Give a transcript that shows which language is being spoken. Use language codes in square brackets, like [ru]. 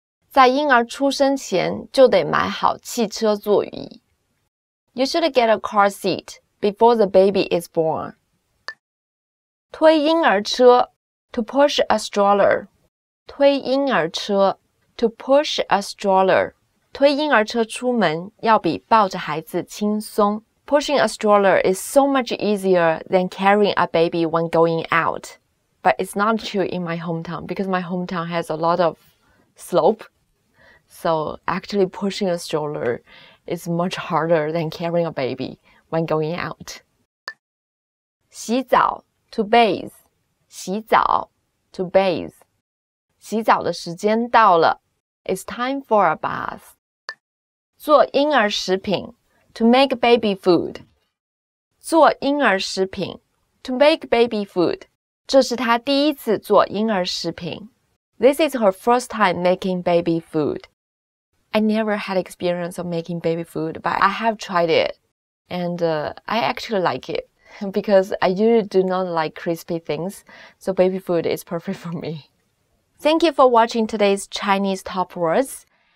[zh] 在婴儿出生前就得买好汽车座椅. [en] You should get a car seat before the baby is born. [zh] 推婴儿车, [en] to push a stroller. 推婴儿车, to push a stroller. [zh] 推婴儿车出门要比抱着孩子轻松。 [en] Pushing a stroller is so much easier than carrying a baby when going out. But it's not true in my hometown because my hometown has a lot of slope. So actually pushing a stroller is much harder than carrying a baby when going out. [zh] 洗澡, [en] to bathe. 洗澡, to bathe. [zh] 洗澡的时间到了. [en] It's time for a bath. [zh] 做婴儿食品. [en] To make baby food. [zh] 做婴儿食品. [en] To make baby food. [zh] 这是她第一次做婴儿食品. [en] This is her first time making baby food. I never had experience of making baby food, but I have tried it. And I actually like it. Because I usually do not like crispy things. So baby food is perfect for me. Thank you for watching today's Chinese Top Words.